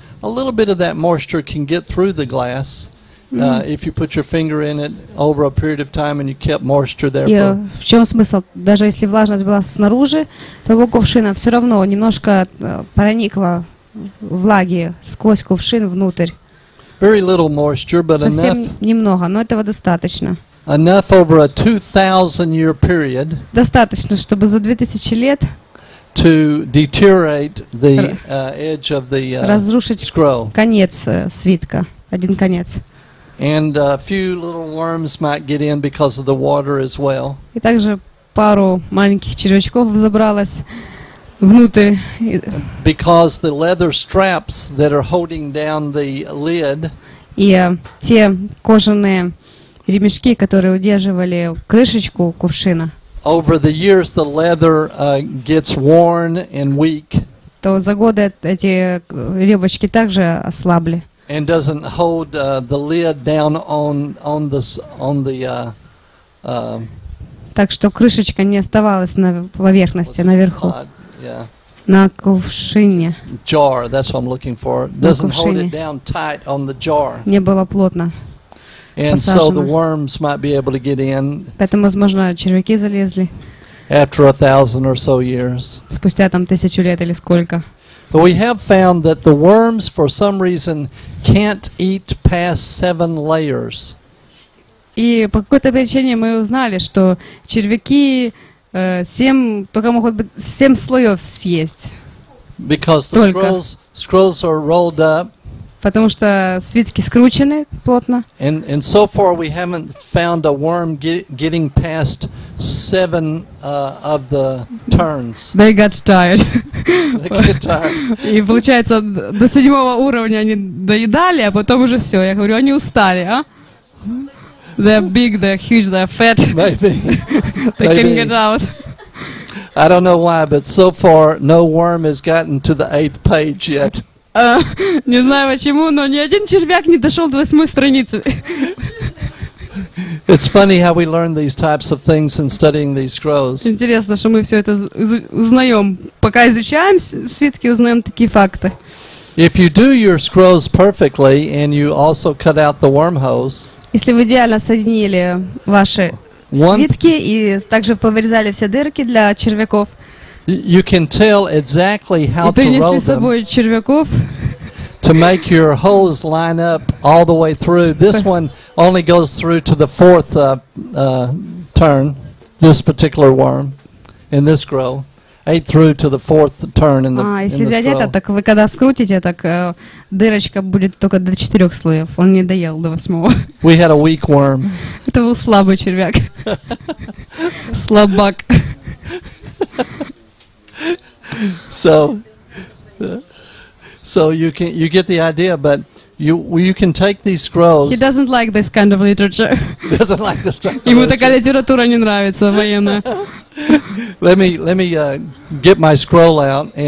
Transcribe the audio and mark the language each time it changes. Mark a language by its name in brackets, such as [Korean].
[English] A little bit of that moisture can get through the glass if you put your finger in it over a period of time and you kept moisture there. [Russian] В чем смысл? Даже если влажность была снаружи того кувшина, все равно немножко проникла влаги сквозь кувшин внутрь. [English] Very little moisture, but [Russian] совсем [English] enough. [Russian] Немного, но этого достаточно. [English] Enough over a 2,000-year period. [Russian] Достаточно, чтобы за 2000 лет. [English] To deteriorate the edge of the scroll. [Russian] Разрушить конец свитка, один конец. [English] And a few little worms might get in because of the water as well. [Russian] И также пару маленьких червячков забралось внутрь. [English] Because the leather straps that are holding down the lid. [Russian] И те кожаные ремешки, которые удерживали крышечку кувшина. [English] Over the years, the leather gets worn and weak. [Russian] То за годы эти ремешки также ослабли. [English] And doesn't hold the lid down on the. [Russian] Так что крышечка не оставалась на поверхности наверху. [English] Yeah. [Russian] На кувшине. [English] Jar, that's what I'm looking for. Doesn't hold it down tight on the jar. [Russian] Не было плотно. [English] And so the worms might be able to get in. [Russian] Поэтому, возможно, червяки залезли. [English] After 1,000 or so years. [Russian] Спустя там тысячу лет или сколько. [English] But we have found that the worms, for some reason, can't eat past 7 layers. [Russian] И по какой-то причине мы узнали, что червяки семь слоев съесть. [English] Because the scrolls are rolled up. [Russian] Потому что свитки скручены плотно. [English] And so far we haven't found a worm getting past 7 of the turns. They got tired. They get tired. [Russian] И получается до седьмого уровня они доедали, а потом уже все. Я говорю, они устали, а? [English] They're big, they're huge, they're fat. Maybe. They can get out. I don't know why, but so far no worm has gotten to the 8th page yet. [Russian] Не знаю почему, но ни один червяк не дошел до 8-й страницы. [English] It's funny how we learn these types of things in studying these scrolls. [Russian] Интересно, что мы все это узнаем, пока изучаем свитки, узнаем такие факты. [English] If you do your scrolls perfectly and you also cut out the wormholes. [Russian] Если вы идеально соединили ваши свитки и также повырезали все дырки для червяков, [English] you can tell exactly how to roll them to make your holes line up all the way through. This one only goes through to the fourth turn, this particular worm in this scroll. Eight through to the fourth turn in the scroll. [Russian] Если взять это, так вы когда скрутите, так дырочка будет только до четырех слоев. Он не доел до восьмого. [English] We had a weak worm. [Russian] Это был слабый червяк. Слабак. [English] So you get the idea, but you can take these scrolls. He doesn't like this kind of literature. Doesn't like this type of literature. [Russian] Ему такая литература не нравится, военная. [English] Let me get my scroll out and show you how to roll it.